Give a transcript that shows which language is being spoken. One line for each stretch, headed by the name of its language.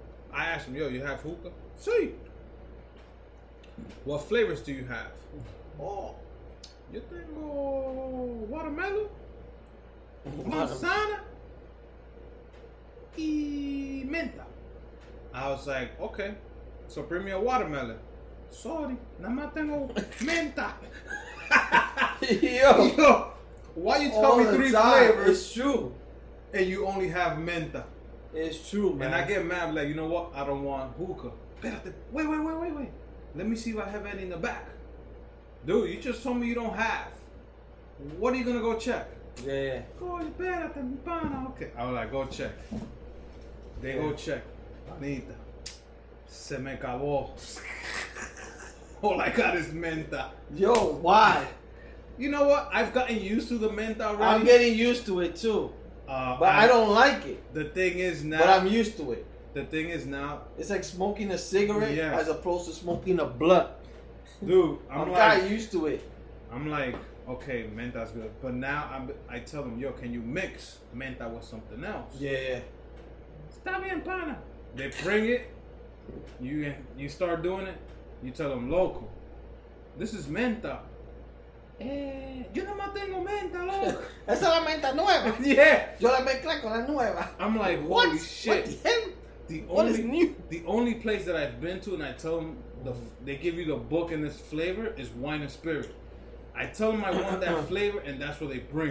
English: I ask them, yo, you have hookah? Si. What flavors do you have? Oh, you think watermelon? Manzana? Y menta. I was like, okay, so bring me a watermelon.
Spanish: Sorry, nada más tengo menta.
English: Yo, why you tell me three flavors? It's true. And you only have menta. It's true, man. And I get mad, like, you know what? I don't want hookah. Wait. Let me see if I have any in the back. Dude, you just told me you don't have. What are you going to go check? Yeah. Okay. I was like, go check. They go check.
Spanish: Panita, se me acabó.
English: All I got is menta. Yo, why? You know what? I've gotten used to the menta already. I'm getting used to it too. But I don't like it. The thing is now. But I'm used to it. The thing is now. It's like smoking a cigarette as opposed to smoking a blunt. Dude, I'm like. I got used to it. I'm like, okay, menta's good. But now I tell them, yo, can you mix menta with something else? Yeah.
Spanish: Está bien, pana.
English: They bring it, you start doing it, you tell them, loco, this is menta.
Spanish: Yo no más tengo menta, loco. Esa es la menta nueva.
English: Yeah.
Spanish: Yo la mezclé con la nueva.
English: I'm like, holy what? Shit. What the hell? What is new? The only place that I've been to and I tell them, they give you the book and this flavor is Wine and Spirit. I tell them I want that flavor and that's what they bring.